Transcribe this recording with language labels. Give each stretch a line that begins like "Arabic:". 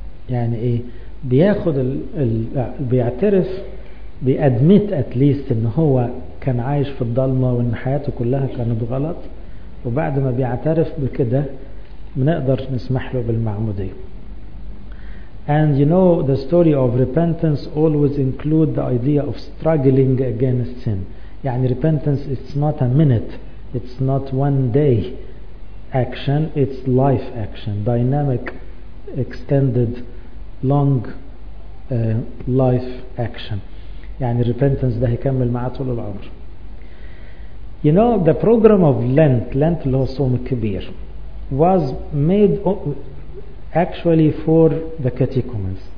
Arabic: يعني ايه؟ بياخد بيعترف
English: بيأدميت اتليست
Arabic: ان هو كان عايش في الضلمة وان حياته كلها كانت غلط، وبعد ما بيعترف بكده بنقدر نسمح له بالمعمودية.
English: And you know the story of repentance always include the idea of struggling against sin. يعني repentance it's not a minute, it's not one day action, it's life action, dynamic extended long life action.
Arabic: يعني repentance ده هيكمل معاه طول العمر.
English: You know the program of Lent, Lent
Arabic: اللي هو الصوم الكبير,
English: was made actually for the catechumens.